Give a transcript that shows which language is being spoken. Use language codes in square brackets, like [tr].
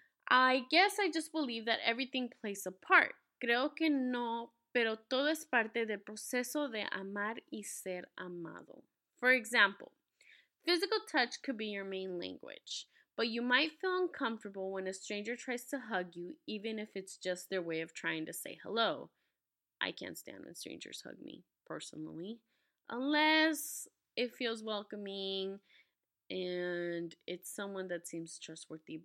[en] I guess I just believe that everything plays a part. [es] Creo que no, pero todo es parte del proceso de amar y ser amado. [en] For example, physical touch could be your main language, but you might feel uncomfortable when a stranger tries to hug you, even if it's just their way of trying to say hello. I can't stand when strangers hug me, personally, unless it feels welcoming and it's someone that seems trustworthy.